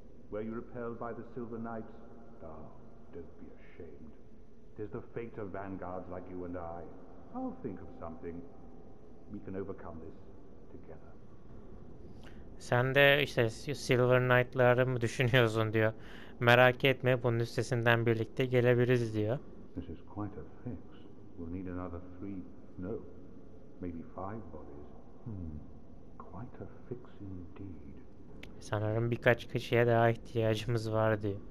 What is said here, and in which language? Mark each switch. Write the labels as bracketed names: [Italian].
[English] Were you repelled by the Silver Knights? Ah, don't be ashamed. Tis the fate of vanguards like you and I. I'll think of something. We can overcome this together. [Turkish] Sen de işte Silver Knight'ları mı düşünüyorsun diyor. Merak etme, bunun üstesinden birlikte gelebiliriz diyor. [English] This is quite a fix. We'll need another three, no, maybe five bodies. Quite a fix indeed. [Turkish] Sanırım birkaç kişiye daha ihtiyacımız var diyor.